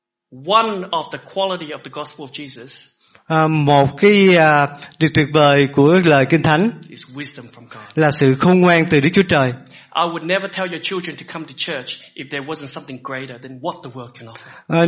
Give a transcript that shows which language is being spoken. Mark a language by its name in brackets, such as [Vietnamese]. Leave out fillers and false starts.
[English] One of the quality of the gospel of Jesus. [Vietnamese] Một cái điều tuyệt vời của lời Kinh Thánh [English] is wisdom from God. [Vietnamese] Là sự khôn ngoan từ Đức Chúa Trời. [English] I would never tell your children to come to church if there wasn't something greater than what the world can offer.